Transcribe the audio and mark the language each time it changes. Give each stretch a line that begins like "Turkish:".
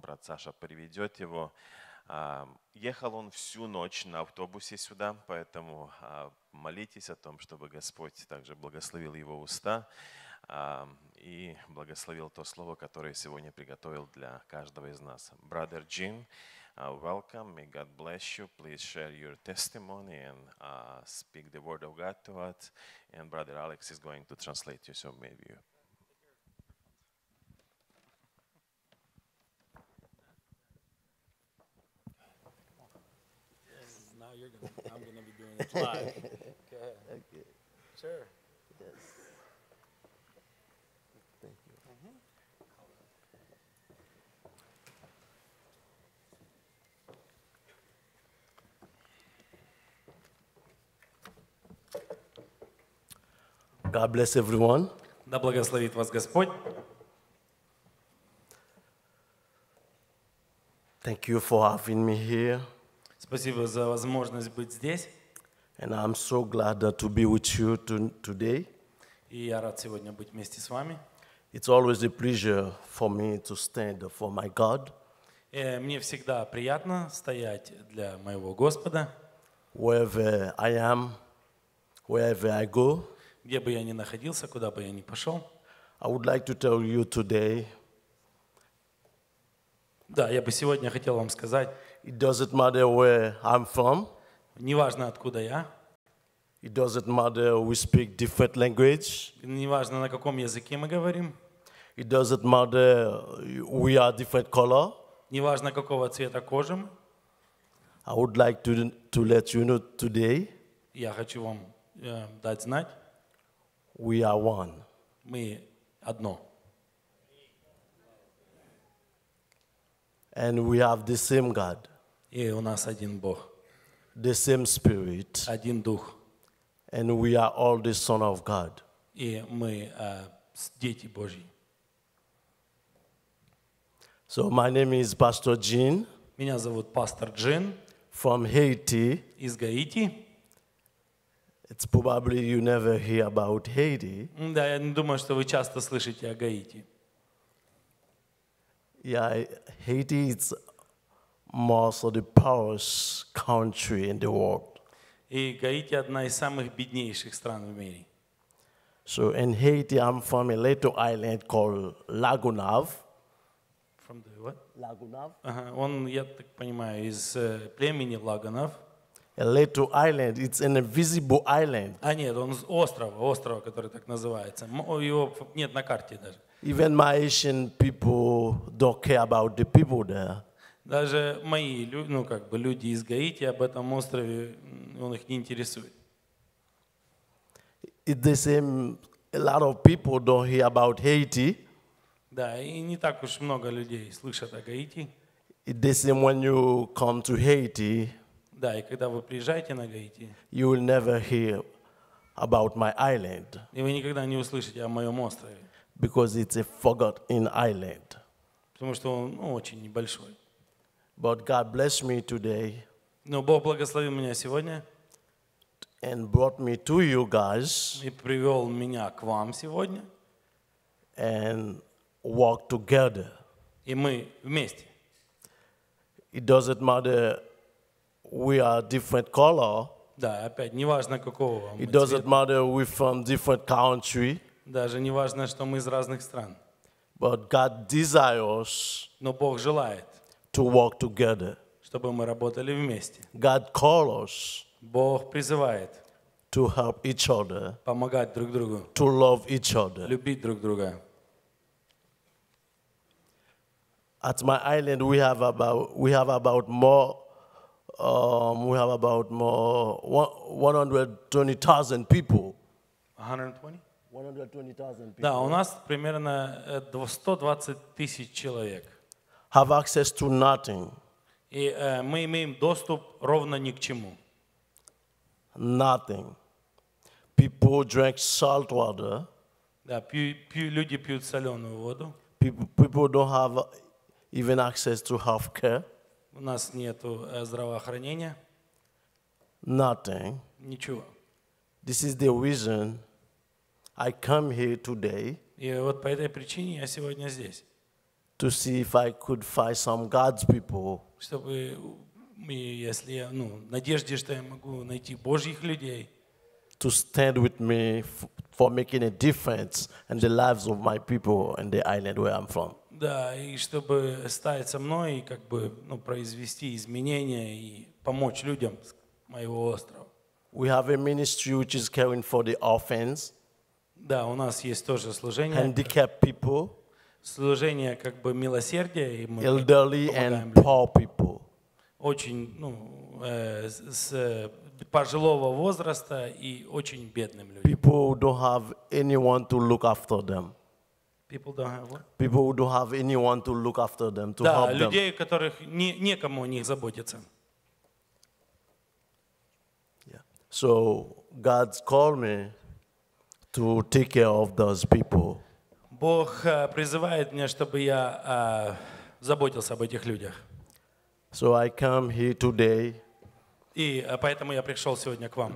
Russian: Брат Саша приведет его. Ехал он всю ночь на автобусе сюда, поэтому молитесь о том, чтобы Господь также благословил его уста и благословил то слово, которое сегодня приготовил для каждого из нас.
English: Brother Jim, welcome. May God bless you. Please share your testimony and speak the word of God to us. And brother Alex is going to translate you, so maybe you. I'm going to be doing it live. Go ahead. Okay. Sure. Yes. Thank you. God bless everyone.
Russian: Да благословит вас Господь.
English: Thank you for having me here.
Russian: Спасибо за возможность быть здесь.
English: And I'm so glad to be with you today.
Russian: И я рад сегодня быть вместе с вами.
English: It's always a pleasure for me to stand for my God.
Russian: И мне всегда приятно стоять для моего Господа.
English: Wherever I am, wherever I go.
Russian: Где бы я ни находился, куда бы я ни пошел.
English: I would like to tell you today.
Russian: Да, я бы сегодня хотел вам сказать.
English: It doesn't matter where I'm from.
Russian: Неважно, откуда я.
English: It doesn't matter we speak different language.
Russian: Неважно, на каком языке мы говорим.
English: It doesn't matter we are different color.
Russian: Неважно, какого цвета кожи мы.
English: I would like to let you know today.
Russian: Я хочу вам дать знать.
English: We are one.
Russian: Мы одно.
English: And we have the same God.
Russian: И у нас один Бог.
English: The same Spirit.
Russian: Один Дух.
English: And we are all the Son of God.
Russian: И мы дети Божьи.
English: So my name is Pastor Jean.
Russian: Меня зовут Пастор Джин.
English: From Haiti.
Russian: Из Гаити.
English: It's probably you never hear about Haiti.
Russian: Да, я не думаю, что вы часто слышите о Гаити.
English: Yeah, Haiti is most of the poorest country in the world.
Russian: И Гаити одна из самых беднейших стран в мире.
English: So in Haiti, I'm from a little island called Lagunav. From the what? Lagunav.
Russian: Он, я так понимаю, из племени Лагунав.
English: A little island. It's an invisible island.
Russian: А нет, он остров, который так называется. Его нет на карте даже.
English: Even my Asian people don't care about the people there.
Russian: Даже мои люди, ну как бы люди из Гаити об этом острове, он их не интересует.
English: It's the same. A lot of people don't hear about Haiti.
Russian: Да, и не так уж много людей слышат о Гаити.
English: It's the same when you come to Haiti.
Russian: Да, и когда вы приезжаете на Гаити.
English: You will never hear about my island.
Russian: И вы никогда не услышите о моем острове.
English: Because it's a forgotten island.
Russian: Потому что он, ну, очень небольшой.
English: But God blessed me today.
Russian: Но Бог благословил меня сегодня.
English: And brought me to you guys.
Russian: И привел меня к вам сегодня.
English: And walk together.
Russian: И мы вместе.
English: It doesn't matter we are different color.
Russian: Да, опять, неважно какого.
English: It doesn't matter we're from different country.
Russian: Даже не важно, что мы из разных стран.
English: But God desires.
Russian: Но Бог желает.
English: To work together.
Russian: Чтобы мы работали вместе.
English: God calls.
Russian: Бог призывает.
English: To help each other.
Russian: Помогать друг другу.
English: To love each other.
Russian: Любить друг друга.
English: At my island, we have about 120,000 people. 120,000 people.
Russian: Да, у нас примерно 120 тысяч человек.
English: Have access to nothing.
Russian: И мы имеем доступ ровно ни к чему.
English: Nothing. People drink salt water.
Russian: Да, люди пьют соленую воду.
English: People don't have even access to healthcare.
Russian: У нас нету здравоохранения.
English: Nothing.
Russian: Ничего.
English: This is the reason I come here today.
Russian: И вот по этой причине я сегодня здесь.
English: To see if I could find some God's people.
Russian: Чтобы мы, если я, ну, надежде, что я могу найти Божьих людей.
English: To stand with me for making a difference in the lives of my people in the island where I'm from.
Russian: Да, и чтобы стать со мной и как бы, ну, произвести изменения и помочь людям с моего острова.
English: We have a ministry which is caring for the orphans.
Russian: Да, у нас есть тоже служение.
English: Handicapped people.
Russian: Служение как бы милосердия и мы
English: elderly and poor people.
Russian: Очень, ну, с пожилого возраста и очень бедным людям.
English: People who don't have anyone to look after them. People don't have what? People who don't have anyone to look after them, to
Russian: да,
English: help
Russian: людей,
English: them.
Russian: Которых некому о них заботиться.
English: Yeah. So God's called me to take care of those people.
Russian: Бог призывает меня, чтобы я заботился об этих людях.
English: So I come here today.
Russian: И поэтому я пришел сегодня к вам.